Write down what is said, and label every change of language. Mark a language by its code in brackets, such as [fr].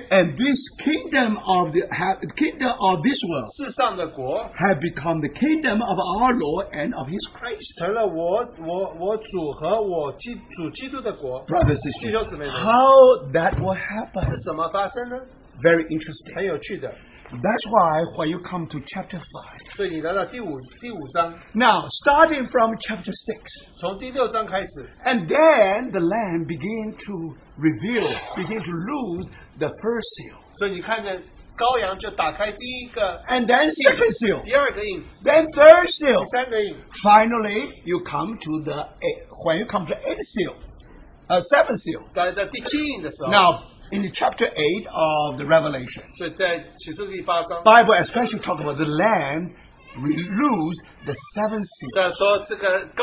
[en] and this kingdom of the kingdom of this world [zh] 世上的国, [en] have become the kingdom of our Lord and of His Christ. [zh] 成了我主和我主基督的国, [en] brothers and sisters, how that will happen? [zh] 是怎么发生呢? [en] Very interesting. [zh] 很有趣的, [en] That's why you come to chapter 5. [zh] 所以你来到第五章, [en] now, starting from chapter 6. [zh] 从第六章开始, [en] and then the land began to reveal, began to lose the first seal. [zh] 所以你看着羔羊就打开第一个, [en] and then second seal. [zh] 第二个印, [en] then third seal. [zh] 第三个印, [en] finally, you come to the eight, when you come to eighth seal. A seventh seal. [zh] 到第七印的时候, [en] now, in chapter 8 of the Revelation, [zh] 所以在启示录第八章, [en] Bible especially talks about the Lamb lose the seventh seal.